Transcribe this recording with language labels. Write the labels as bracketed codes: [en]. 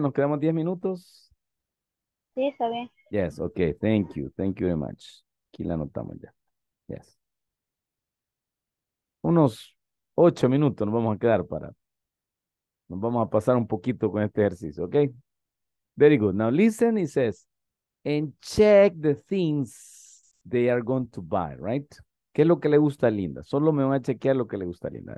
[es] ¿Nos quedamos 10 minutos? Sí, está bien. [en] Yes, ok. Thank you. Thank you very much. [es] Aquí la anotamos ya. [en] Yes. [es] Unos 8 minutos nos vamos a quedar para... Nos vamos a pasar un poquito con este ejercicio, [en] ok? Very good. Now, listen, it says, and check the things they are going to buy, right? [es] ¿Qué es lo que le gusta a Linda? Solo me voy a chequear lo que le gusta a Linda.